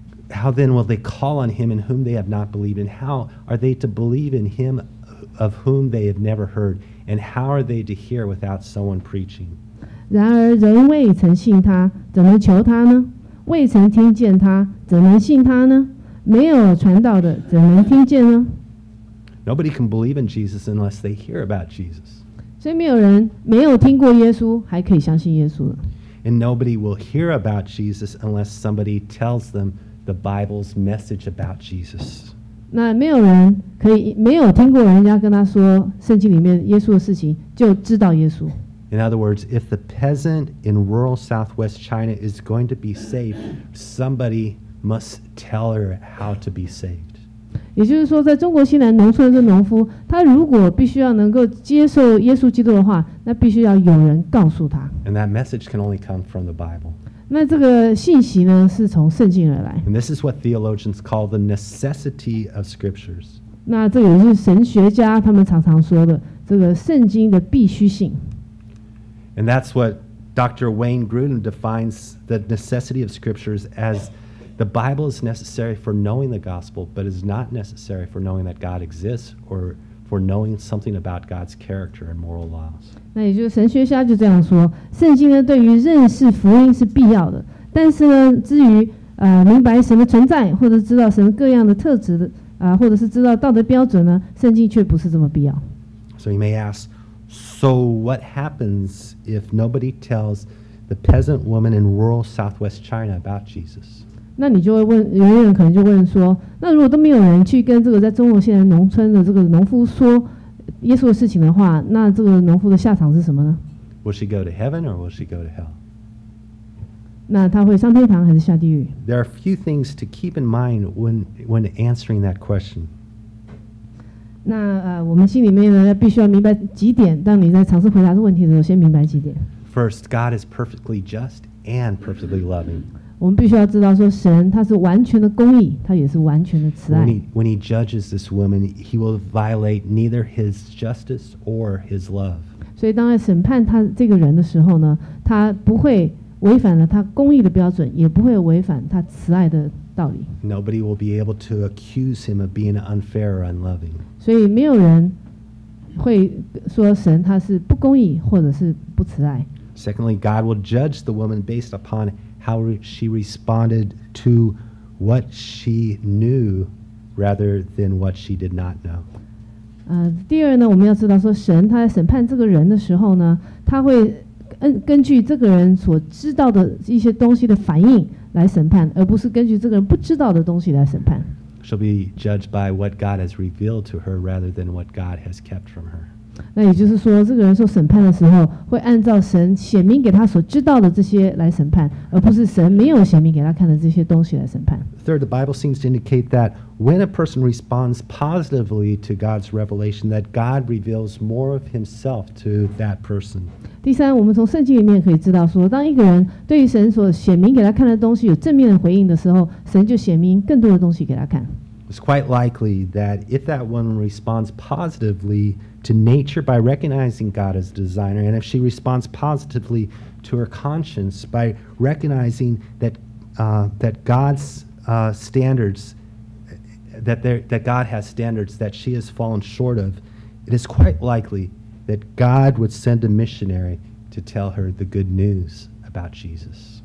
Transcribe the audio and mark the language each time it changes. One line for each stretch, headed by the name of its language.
English: How then will they call on him in whom they have not believed? And how are they to believe in him of whom they have never heard? And how are they to hear without someone preaching?
Chinese: 然而人未曾信他，怎能求他呢？未曾听见他，怎能信他呢？没有传道的，怎能听见呢？
English: Nobody can believe in Jesus unless they hear about Jesus.
Chinese: 所以没有人没有听过耶稣，还可以相信耶稣呢。
English: And nobody will hear about Jesus unless somebody tells them the Bible's message about Jesus.
Chinese: 那没有人可以没有听过人家跟他说圣经里面耶稣的事情，就知道耶稣。
English: In other words, if the peasant in rural southwest China is going to be saved, somebody must tell her how to be saved.
Chinese: 也就是说，在中国西南农村的农夫，他如果必须要能够接受耶稣基督的话，那必须要有人告诉他。
English: And that message can only come from the Bible.
Chinese: 那这个信息呢，是从圣经而来。
English: And this is what theologians call the necessity of scriptures.
Chinese: 那这也是神学家他们常常说的，这个圣经的必须性。
English: And that's what Dr. Wayne Grudem defines the necessity of scriptures as the Bible is necessary for knowing the gospel, but is not necessary for knowing that God exists or for knowing something about God's character and moral laws.
Chinese: 那也就是神学家就这样说，圣经呢对于认识福音是必要的，但是呢至于明白神的存在，或者知道神各样的特质的啊，或者是知道道德标准呢，圣经却不是这么必要。
English: So you may ask, so what happens if nobody tells the peasant woman in rural southwest China about Jesus?
Chinese: 那你就会问，有人可能就问说，那如果都没有人去跟这个在中国现在农村的这个农夫说耶稣的事情的话，那这个农夫的下场是什么呢？
English: Will she go to heaven or will she go to hell?
Chinese: 那他会上天堂还是下地狱？
English: There are a few things to keep in mind when answering that question.
Chinese: 那我们心里面呢必须要明白几点，当你在尝试回答这问题的时候先明白几点。
English: First, God is perfectly just and perfectly loving.
Chinese: 我们必须要知道说神他是完全的公义，他也是完全的慈爱。
English: When he judges this woman, he will violate neither his justice or his love.
Chinese: 所以当他审判他这个人的时候呢，他不会违反了他公义的标准，也不会违反他慈爱的道理。
English: Nobody will be able to accuse him of being unfair or unloving.
Chinese: 所以没有人会说神他是不公义或者是不慈爱。
English: Secondly, God will judge the woman based upon how she responded to what she knew rather than what she did not know.
Chinese: 第二呢，我们要知道说神他在审判这个人的时候呢，他会根据这个人所知道的一些东西的反应来审判，而不是根据这个人不知道的东西来审判。
English: She'll be judged by what God has revealed to her rather than what God has kept from her.
Chinese: 那也就是说，这个人受审判的时候，会按照神显明给他所知道的这些来审判，而不是神没有显明给他看的这些东西来审判。
English: Third, the Bible seems to indicate that when a person responds positively to God's revelation, that God reveals more of himself to that person.
Chinese: 第三，我们从圣经里面可以知道说，当一个人对于神所显明给他看的东西有正面的回应的时候，神就显明更多的东西给他看。
English: It's quite likely that if that woman responds positively to nature by recognizing God as designer, and if she responds positively to her conscience by recognizing that, that God's standards, that God has standards that she has fallen short of, it is quite likely that God would send a missionary to tell her the good news about Jesus.